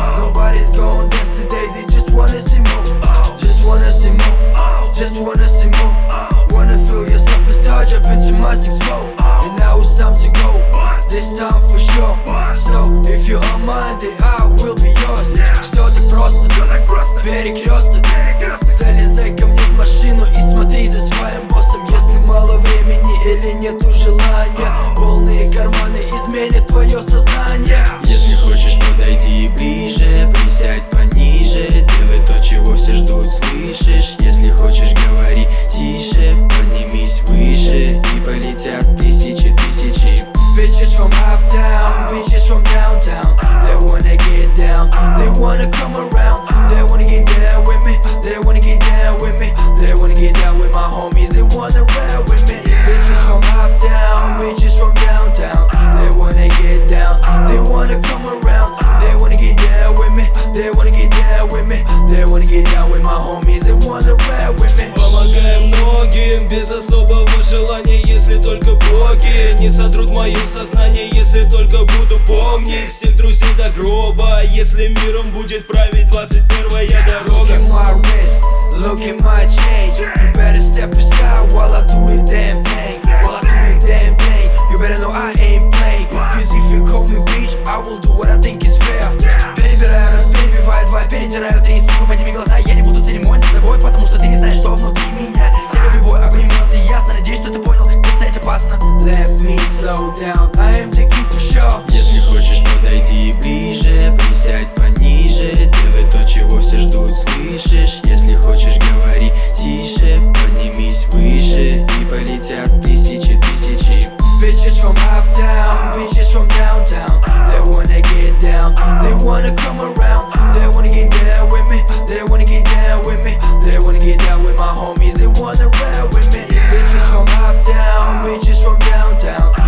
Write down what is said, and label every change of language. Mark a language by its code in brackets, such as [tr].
[en] Nobody's gonna dance today, they just wanna see more. Just wanna see more. Just wanna see more. Wanna feel yourself as touch up into my 6-4. And now it's time to go. This time for sure. So if you're on my day, I will be yours. [ru] Все так просто, все так просто. Перекрёсток. Залезай ко мне в машину и смотри за своим боссом. Если мало времени или нету желания, полные карманы изменят твое сознание. Если хочешь, подойди ближе, присядь пониже. Делай то, чего все ждут, слышишь? Если хочешь, говори тише. Поднимись выше и полетят тысячи, тысячи. [en] Bitches from uptown, bitches from downtown. They wanna get down, they wanna come around. They wanna get down with me, they wanna get down with me. They wanna get down with my homies, they wanna ride with me. Bitches from uptown, bitches from downtown. They wanna get down, they wanna come around. They wanna get down with me, they wanna get down with me. They wanna get down with my homies, they wanna ride with me. [ru] Помогаем многим без особого желания, если только боги не сотрут мое сознание, если только буду помнить всех друзей до гроба, если миром будет править 21-я дорога. [en] Look at my wrist, look at my chain. You better step aside while I do the damn thing. While I do the damn thing, you better know I ain't playing. Cause if you call me bitch, I will do what I think is fair. [ru] Перебираю раз, перебиваю два, перетираю три, сука, подними глаза, я не буду церемониться с тобой, потому что ты не знаешь, что внутри меня. Я люблю бой, огонь эмоций, ясно, надеюсь, что ты понял. [en] Let me slow down, I am the king for sure. [ru] Если хочешь, подойди ближе, присядь пониже. Делай то, чего все ждут, слышишь? Если хочешь, говори тише. Поднимись выше и полетят тысячи, тысячи. [en] Bitches from uptown, bitches from downtown. They wanna get down, they wanna come around. They wanna get down with me, they wanna get down with me. They wanna get down with my homies, they wanna ride with me. Bitches from uptown, bitches from downtown.